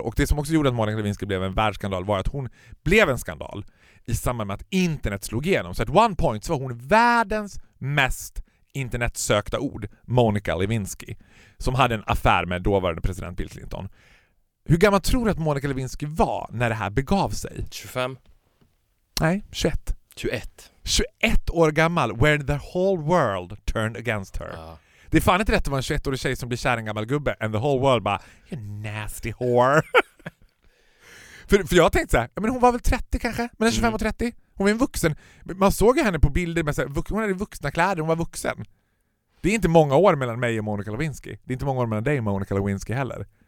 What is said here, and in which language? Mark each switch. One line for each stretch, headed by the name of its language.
Swedish: Och det som också gjorde att Monica Lewinsky blev en världsskandal var att hon blev en skandal i samband med att internet slog igenom. Så
English: at one point
Swedish: så var hon världens mest internetsökta ord, Monica Lewinsky, som hade en affär med dåvarande president Bill Clinton. Hur gammal tror du att Monica Lewinsky var när det här begav sig? 25. Nej, 21. 21.
English: 21
Swedish: år gammal,
English: where the whole world turned against her.
Swedish: Det är fan inte rätt att vara en 21-årig tjej som blir kär en gammal gubbe
English: and the whole world
Swedish: bara,
English: you nasty whore.
Swedish: för jag tänkte så här, men hon var väl 30 kanske? Men 25 och 30? Hon är en vuxen. Man såg ju henne på bilder, med så här, hon hade vuxna kläder, hon var vuxen. Det är inte många år mellan mig och Monica Lewinsky. Det är inte många år mellan dig och Monica Lewinsky heller.